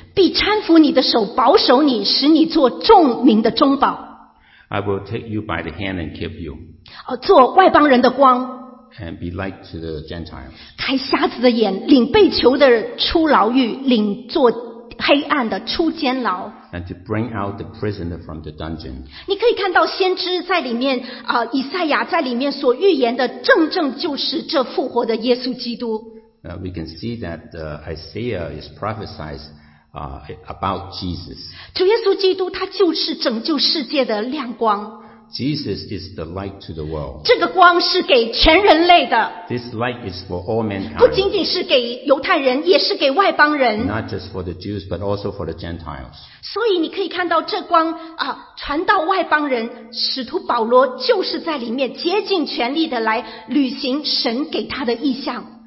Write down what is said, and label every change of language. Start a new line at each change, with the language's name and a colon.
Chinese: 必搀扶你的手保守你使你做众民的中保。
English: I will take you by the hand and keep you.
Chinese: 做外邦人的光。
English: And be light to the Gentiles.
Chinese: 开瞎子的眼领被囚的出牢狱领做黑暗的出监牢。
English: And to bring out the prisoner from the dungeon.
Chinese: 你可以看到先知在里面以赛亚在里面所预言的正正就是这复活的耶稣基督。
English: We can see that Isaiah is prophesied about Jesus.
Chinese: 主耶稣基督他就是拯救世界的亮光。
English: Jesus is the light to the world.
Chinese: 这个光是给全人类的。
English: This light is for all mankind.
Chinese: 不仅仅是给犹太人，也是给外邦人。
English: Not just for the Jews, but also for the Gentiles.
Chinese: 所以你可以看到这光啊，传到外邦人，使徒保罗就是在里面竭尽全力的来履行神给他的意象。